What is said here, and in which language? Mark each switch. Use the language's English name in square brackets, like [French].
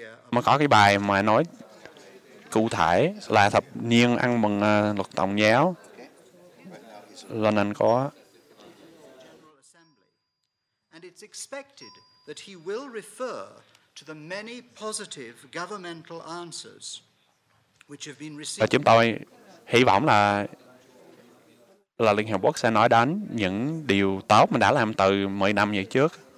[Vietnamese] Mà có cái bài mà nói cụ thể là thập niên ăn mừng luật tôn giáo. Là nên có. [English] And it's expected that he will refer to the many positive governmental answers which have been received. [Vietnamese] Và chúng tôi hy vọng là Liên Hiệp Quốc sẽ nói đến những điều tốt mà đã làm từ 10 năm về trước.